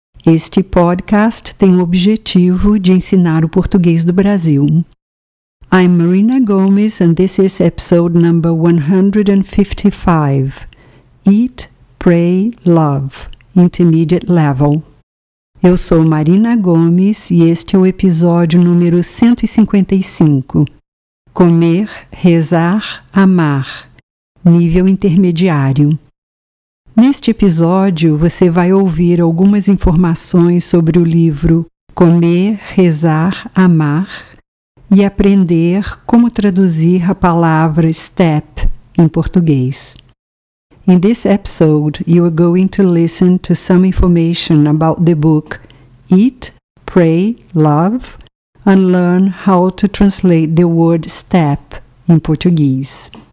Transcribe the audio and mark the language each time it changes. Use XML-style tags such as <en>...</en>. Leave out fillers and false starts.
<pt>Este podcast tem o objetivo de ensinar o português do Brasil.</pt> <en>I'm Marina Gomes and this is episode number 155. Eat, Pray, Love, Intermediate Level.</en> <pt>Eu sou Marina Gomes e este é o episódio número 155. Comer, rezar, amar. Nível intermediário. Neste episódio, você vai ouvir algumas informações sobre o livro Comer, Rezar, Amar e aprender como traduzir a palavra step em português.</pt> <en>In this episode, you are going to listen to some information about the book Eat, Pray, Love, and learn how to translate the word step in Portuguese.</en>